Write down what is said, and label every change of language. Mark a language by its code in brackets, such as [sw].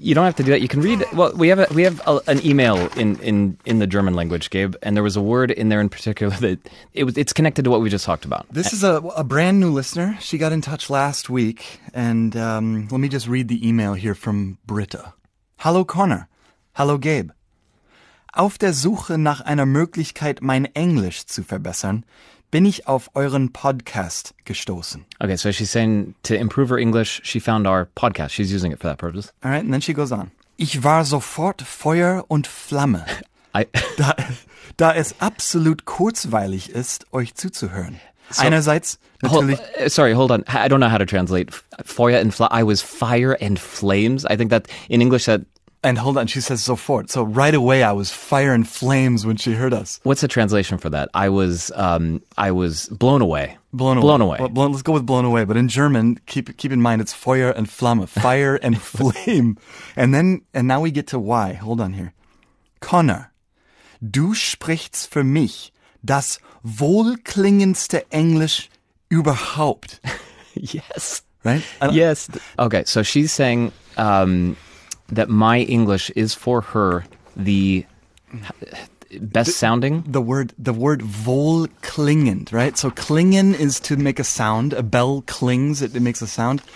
[en] you don't have to do that. You can read. Well, we have an email in the German language, Gabe, and there was a word in there in particular that it's connected to what we just talked about. This is a brand new listener. She got in touch last week, and let me just read the email here from Britta. [de] Hallo Connor. Hallo Gabe. Auf der Suche nach einer Möglichkeit, mein Englisch zu verbessern, bin ich auf euren Podcast gestoßen. [en] Okay, so she's saying to improve her English, she found our podcast. She's using it for that purpose. All right, and then she goes on. [de] Ich war sofort Feuer und Flamme. da es absolut kurzweilig ist, euch zuzuhören. So, einerseits natürlich. [en] Hold on. I don't know how to translate [de] Feuer und Flamme. [en] I was fire and flames. I think that in English that. And hold on, she says sofort. So right away, I was fire and flames when she heard us. What's the translation for that? I was blown away. Blown away. Blown away. Well, let's go with blown away. But in German, keep in mind, it's [de] Feuer und Flamme, [en] fire and flame. And now we get to why. Hold on here. [de] Connor, du sprichst für mich das wohlklingendste Englisch überhaupt. [en] Yes. Right? Yes. Okay, so she's saying that my English is for her the best sounding. The word wohlklingend, right? So klingen is to make a sound. A bell clings, it makes a sound.